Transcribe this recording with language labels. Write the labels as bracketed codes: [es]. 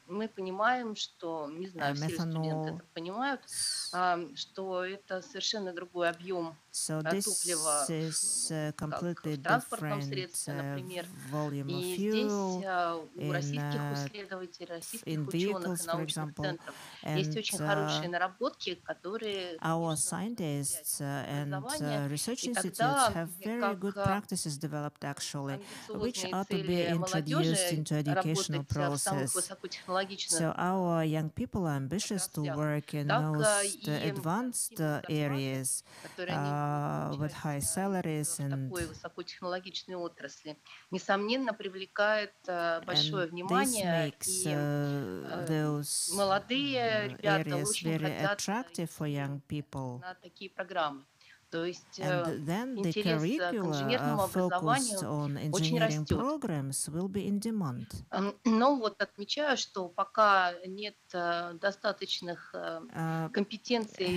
[ru] Мы понимаем, что, не знаю, все студенты это понимают, что это совершенно другой объем топлива транспортном средстве, например. И здесь у российских исследователей, научных центров, есть очень хорошие наработки, которые [en] So our young people are ambitious to work in most advanced areas with high salaries and [ru] высокотехнологичные отрасли. Несомненно, привлекает большое внимание и молодые ребята очень хотят на такие программы. [en] And then the curricula focused on engineering programs will be in demand. [ru] Но вот отмечаю, что пока нет достаточных компетенций.